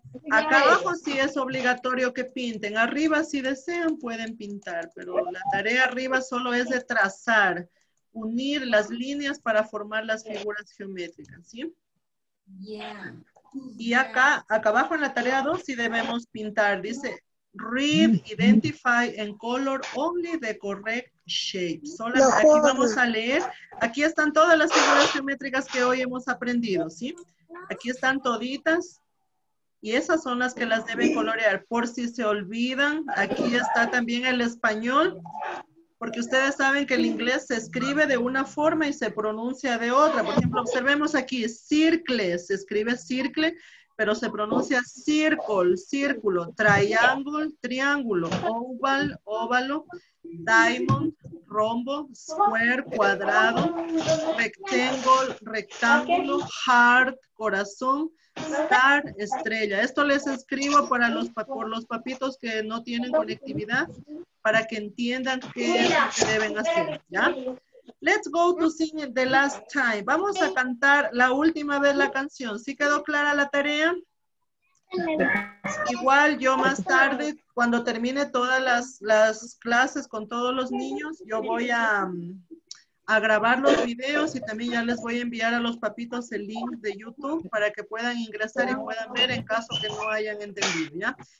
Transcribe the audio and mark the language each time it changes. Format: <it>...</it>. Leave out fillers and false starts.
<es>Acá abajo sí es obligatorio que pinten. Arriba, si desean, pueden pintar. Pero la tarea arriba solo es de trazar, unir las líneas para formar las figuras geométricas, ¿sí? Yeah. Y acá abajo en la tarea 2 sí debemos pintar.</es> <en>Dice, read, identify, and color only the correct shape.</en> <es>Solo aquí vamos a leer. Aquí están todas las figuras geométricas que hoy hemos aprendido, ¿sí? Aquí están toditas. Y esas son las que las deben colorear. Por si se olvidan, aquí está también el español. Porque ustedes saben que el inglés se escribe de una forma y se pronuncia de otra. Por ejemplo, observemos aquí, circle, se escribe circle, pero se pronuncia circle, círculo, triangle, triángulo, oval, óvalo, diamond, rombo, square, cuadrado, rectangle, rectángulo, heart, corazón, star, estrella. Esto les escribo para los, por los papitos que no tienen conectividad, para que entiendan qué es lo que deben hacer, ¿ya?</es> <en>Let's go to sing the last time.</en> <es>Vamos a cantar la última vez la canción. ¿Sí quedó clara la tarea? Igual yo más tarde, cuando termine todas las clases con todos los niños, yo voy a grabar los videos y también ya les voy a enviar a los papitos el link de YouTube para que puedan ingresar y puedan ver en caso que no hayan entendido, ¿ya?</es>